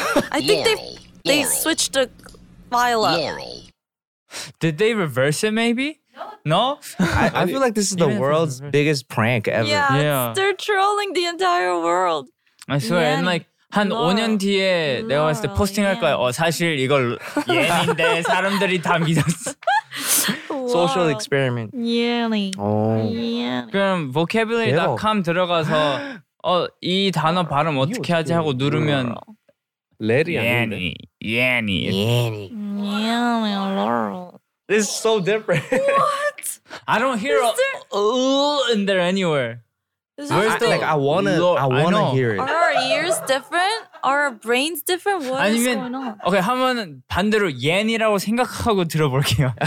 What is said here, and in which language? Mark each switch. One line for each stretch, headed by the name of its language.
English: I think they switched the file up. Did they reverse it maybe? No? I feel like this is the world's biggest prank ever. Yeah, yeah. They're trolling the entire world. I swear, Yanny. And like, 한 Laurel.
Korean: 5년 뒤에 내가 봤을 때 포스팅할 거야. 사실 이걸 Yanny인데 사람들이 다 믿었어.
English: Social experiment. Yanny. Oh. Yanny.
Korean: 그럼 vocabulary.com 들어가서 이 단어 발음 어떻게 하지 하고 누르면
English: Larry Yanny. Yanny. Yanny. Yanny. Yanny Laurel. It's so different. What? I don't hear a in there anywhere. Where's the like? I wanna hear it. Are our ears different? Are our brains different? What
Korean: 아니면,
English: is going on?
Korean: Okay, 한번 반대로 Yanny라고 생각하고 들어볼게요.